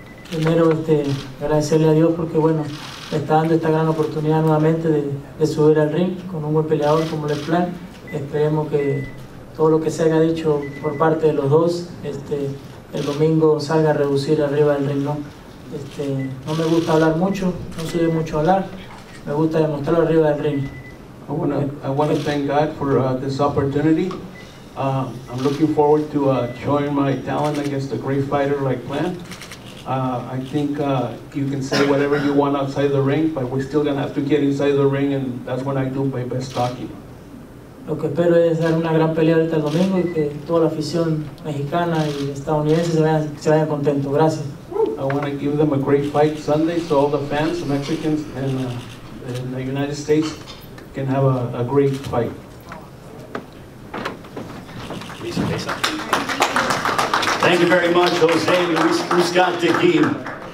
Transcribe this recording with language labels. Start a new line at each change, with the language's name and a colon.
Spanish: Primero, agradecerle a Dios porque, bueno, me está dando esta gran oportunidad nuevamente de subir al ring con un buen peleador como Le Plan. Esperemos que todo lo que se haya dicho por parte de los dos, el domingo salga a reducir arriba del ring, ¿no? No me gusta hablar mucho, no soy de mucho hablar, me gusta demostrarlo arriba del ring.
English: I want to thank God for this opportunity. I'm looking forward to showing my talent against a great fighter like Plant. I think you can say whatever you want outside the ring, but we're still gonna have to get inside the ring, and that's when I do my best talking.
Spanish: Lo que espero es dar una gran pelea ahorita el domingo y que toda la afición mexicana y estadounidense se vayan contento. Gracias.
English: I want to give them a great fight Sunday so all the fans, the Mexicans and the United States can have a great fight. Please, please. Thank you very much, Jose Uzcategui.